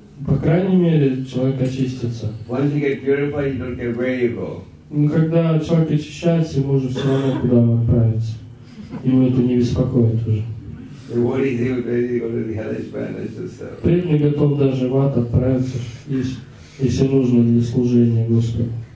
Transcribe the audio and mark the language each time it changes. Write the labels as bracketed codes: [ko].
[ru] По крайней мере, человек очистится. [en] Once you get purified, you don't care where you go. [ru] Ну, когда человек очищается, ему уже все равно, куда он отправится. Ему это не беспокоит уже. Преданный готов даже в ад отправиться, если нужно для служения Господу.